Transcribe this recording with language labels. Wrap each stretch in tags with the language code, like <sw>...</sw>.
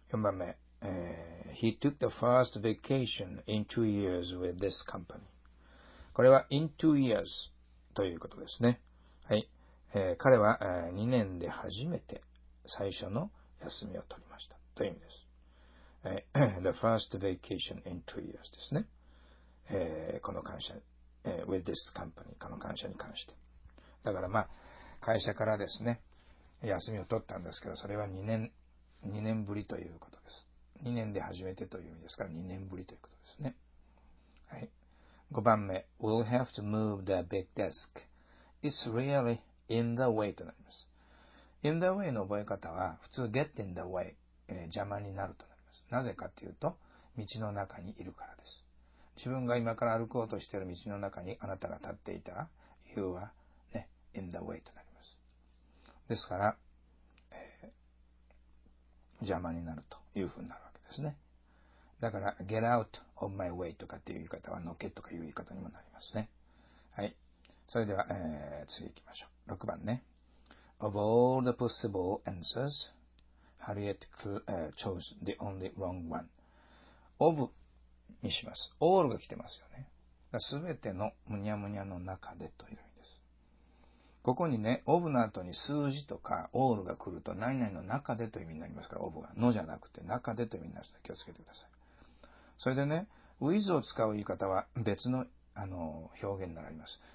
<en>4番目、He took the first vacation in 2 years with this company.</en> <ja>これは in 2 years ということですね。はい。彼は、2年で初めて最初の休みを取りましたという意味です。 The first vacation in 2 years ですね。この会社、 with this company、この会社に関して。だからまあ、会社からですね、休みを取ったんですけど、それは2年ぶりということです。 2年で初めてという意味ですから、2年ぶりということですね。はい。</ja> <en>5番目、We'll have to move the big desk.</en> <ja>It's really in the way となります。 In the way の覚え方は、普通 get in the way、邪魔になるとなります。なぜかというと、道の中にいるからです。自分が今から歩こうとしている道の中にあなたが立っていたら、 You are、ね、 in the way となります。ですから、邪魔になるというふうになるわけですね。だから、 get out of my way とかっていう言い方は、のけとかいう言い方にもなりますね。はい。それでは、次行きましょう。6番ね。</ja> <en>Of all the possible answers, Harriet chose the only wrong one.</en> <ja>Of にします。All が来てますよね。すべてのむにゃむにゃの中でという意味です。ここにね、of の後に数字とか all が来ると何々の中でという意味になりますから、of が。のじゃなくて中でという意味になりますので気をつけてください。それでね、with を使う言い方は別の、表現になります。</ja>